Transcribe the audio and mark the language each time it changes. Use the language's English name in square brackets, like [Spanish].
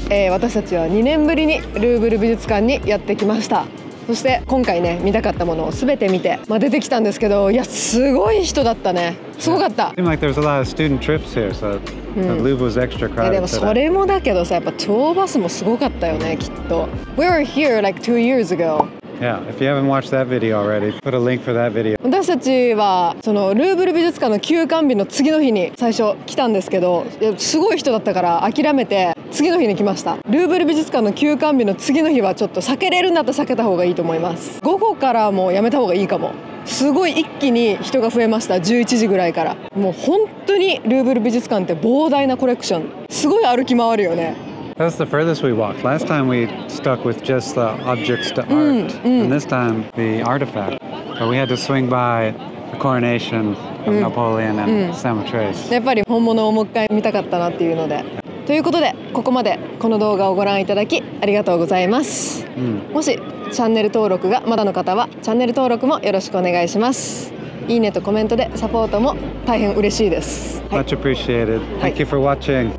[Japanese] 私たちは2年ぶりにルーブル美術館にやってきました。そして今回ね、見たかったものを全て見て、まあ、出てきたんですけど、いやすごい人だったね。すごかった。 [English] Seems like there's a lot of student trips here, so the Louvre was extra crowded. [Japanese] でもそれもだけどさ、やっぱ超バスもすごかったよね、きっと。 [English] We were here like 2 years ago. Yeah, if you haven't watched that video already, put a link for that video. [Japanese] 私たちはそのルーブル美術館の休館日の次の日に最初来たんですけど、すごい人だったから諦めて。次の日に来ました。ルーブル美術館の休館日の次の日はちょっと避けれるんだったら避けた方がいいと思います。午後からもうやめた方がいいかも。すごい一気に人が増えました。 11時ぐらいからもう本当にルーブル美術館って膨大なコレクション、すごい歩き回るよね。 [English] That's the furthest we walked. Last time we stuck with just the objects to art. And this time the artifact. But we had to swing by the coronation of Napoleon and Samothrace. [Japanese] やっぱり本物をもう一回見たかったなっていうので、ということでここまでこの動画をご覧いただきありがとうございます、もしチャンネル登録がまだの方はチャンネル登録もよろしくお願いします。いいねとコメントでサポートも大変嬉しいです、 [English] Much appreciated. Thank you for watching.